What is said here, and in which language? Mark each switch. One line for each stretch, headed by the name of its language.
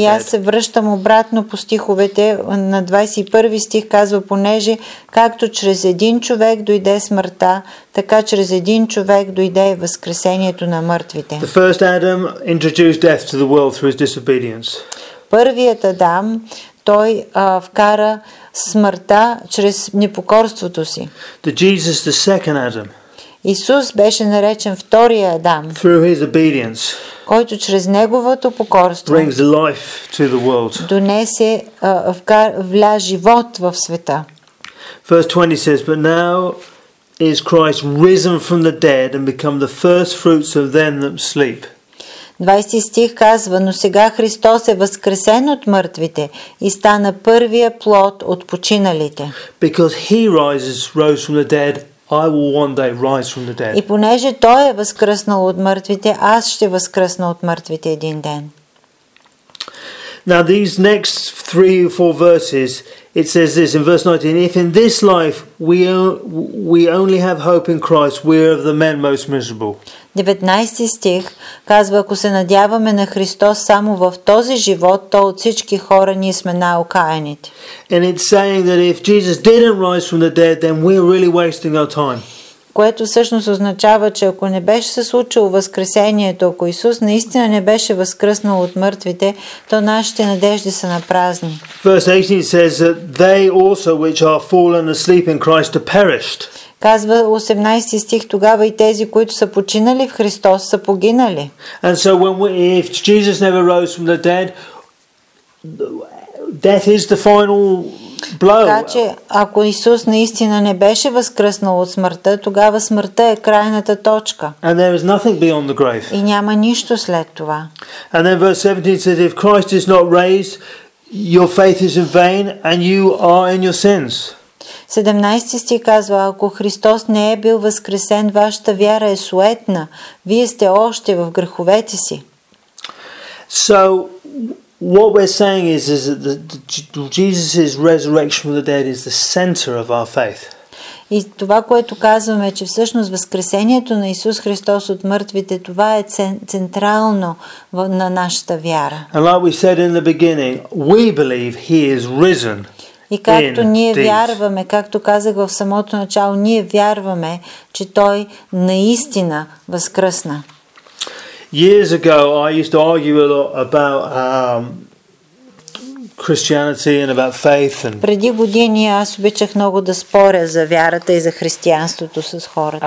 Bulgarian: И аз се връщам обратно по стиховете на 21 стих, казва, понеже както чрез един човек дойде смъртта, така чрез един човек дойде възкресението на мъртвите.
English: The first Adam introduced death to the world through his disobedience.
Bulgarian: Първият Адам, той вкара смъртта чрез непокорството си.
English: The Jesus, the second Adam.
Bulgarian: Исус беше наречен втория Адам.
English: Through his obedience.
Bulgarian: Който чрез неговото покорство
English: brings life to the world.
Bulgarian: Донесе вля живот в света.
English: Verse 20 says, but now is Christ risen from the dead and become the first fruits of them that sleep.
Bulgarian: 20 стих казва, но сега Христос е възкресен от мъртвите и стана първия плод от починалите.
English: Because he rose from the dead, I will one day rise from the dead.
Bulgarian: И понеже той е възкръснал от мъртвите, аз ще възкръсна от мъртвите един ден.
English: Now these next three or four verses, it says this in verse 19, if in this life we only have hope in Christ, we are of the men most miserable.
Bulgarian: 19 стих казва, ако се надяваме на Христос само в този живот, то от всички хора ние сме най-окаяните.
English: And it's saying that if Jesus didn't rise from the dead, then we're really wasting our time.
Bulgarian: Което всъщност означава, че ако не беше се случило възкресението, ако Исус наистина не беше възкръснал от мъртвите, то нашите надежди са напразни.
English: Verse 18 says that they also which are fallen asleep in Christ are perished.
Bulgarian: Казва 18 стих, тогава и тези, които са починали в Христос, са погинали.
English: And so when if Jesus never rose from the dead, death is the final blow.
Bulgarian: Така че ако Исус наистина не беше възкръснал от смъртта, тогава смъртта е крайната точка.
English: And there is nothing beyond the grave.
Bulgarian: И няма нищо след това.
English: And then verse 17 says, if Christ is not raised, your faith is in vain and you are in your sins.
Bulgarian: 17 стих казва, ако Христос не е бил възкресен, вашата вяра е суетна, вие сте още в греховете си.
English: So what we're saying is that Jesus' resurrection from the dead is the center of our faith.
Bulgarian: И това, което казваме, че всъщност възкресението на Исус Христос от мъртвите, това е централно на нашата вяра.
English: And like we said in the beginning, we believe he is risen.
Bulgarian: И както ние вярваме, както казах в самото начало, ние вярваме, че Той наистина възкръсна.
English: Years ago, I used to argue a lot about Christianity and about faith and
Bulgarian: преди години аз обичах много да споря за вярата и за християнството с хората.